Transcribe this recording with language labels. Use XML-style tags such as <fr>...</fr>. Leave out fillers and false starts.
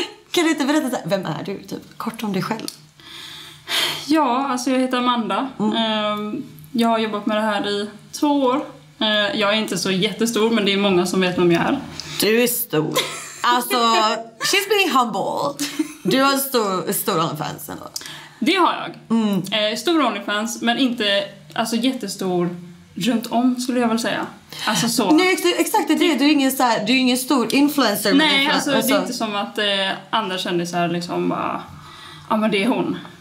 <sv>Kan du inte berätta, så här, vem är du? Typ, kort om dig själv. Ja, alltså jag heter Amanda. Jag har jobbat med det här i 2 år. Jag är inte så jättestor, men det är många som vet vem jag är. Du är stor.</sv> <en>Alltså, she's being humble.</en> <sv>Du har stor fans ändå. Det har jag. Stor OnlyFans, men inte alltså jättestor runt om, skulle jag väl säga. Alltså så. Nej, exakt det. Du är ingen så här, du är ingen stor influencer. Nej, alltså det är inte som att andra kändisar liksom bara, ja men det är hon.</sv>